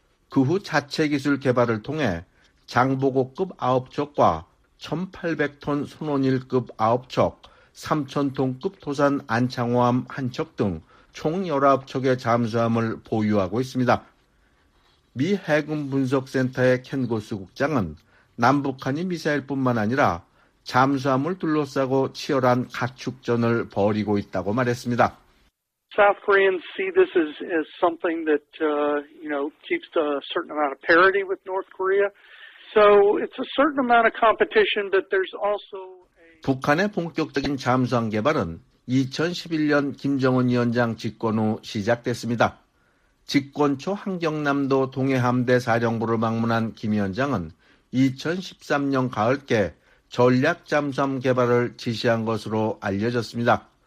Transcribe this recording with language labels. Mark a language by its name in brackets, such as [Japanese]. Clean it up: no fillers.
[Korean] 그 후 자체 기술 개발을 통해 장보고급 9척과 1800톤 손원일급 9척, 3000톤급 도산 안창호함 1척 등 총 19척의 잠수함을 보유하고 있습니다. 미 해군분석센터의 켄 고스 국장은 남북한이 미사일뿐만 아니라 잠수함을 둘러싸고 치열한 가축전을 벌이고 있다고 말했습니다. [English] South Koreans see this as something that you know keeps a certain amount of parity with North Korea. So it's a certain amount of competition, but there's also [Korean] 북한의 본격적인 잠수함 개발은 2011년 김정은 위원장 집권 후 시작됐습니다. 집권 초 함경남도 동해함대 사령부를 방문한 김 위원장은 2013년 가을께 전략 잠수함 개발을 지시한 것으로 알려졌습니다.